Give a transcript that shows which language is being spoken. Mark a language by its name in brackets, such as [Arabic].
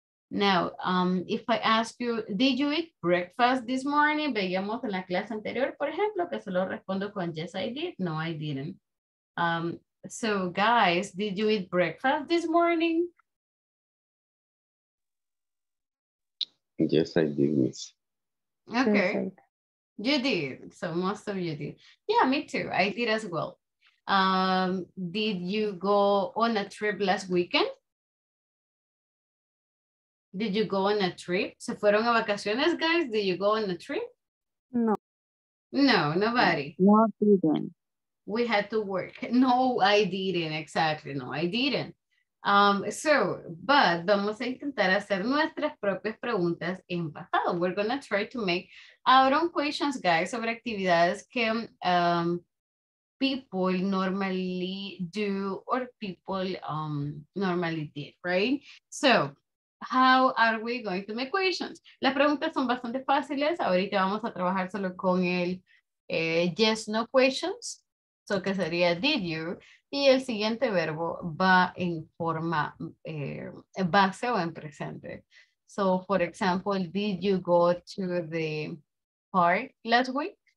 [English] Now, if I ask you, did you eat breakfast this morning? [Spanish] Veíamos en la clase anterior, por ejemplo, que solo respondo con [English] yes, I did. No, I didn't. So, guys, did you eat breakfast this morning? Yes, I did, miss. Okay. Perfect. You did. So, most of you did. Yeah, me too. I did as well. Did you go on a trip last weekend? Did you go on a trip? [Spanish] ¿Se fueron a vacaciones, guys? [English] Did you go on a trip? No. No, nobody. No, I didn't. We had to work. No, I didn't. Exactly. No, I didn't. [Spanish] But vamos a intentar hacer nuestras propias preguntas en pasado. [English] We're going to try to make our own questions, guys, [Spanish] sobre actividades que [English] people normally do or people normally did, right? So, how are we going to make questions? [Spanish] Las preguntas son bastante fáciles. Ahorita vamos a trabajar solo con el [English] yes, no questions. [Spanish] So, que sería [English] did you? [Spanish] Y el siguiente verbo va en forma base o en presente. [English] So, for example, did you go to the park last week?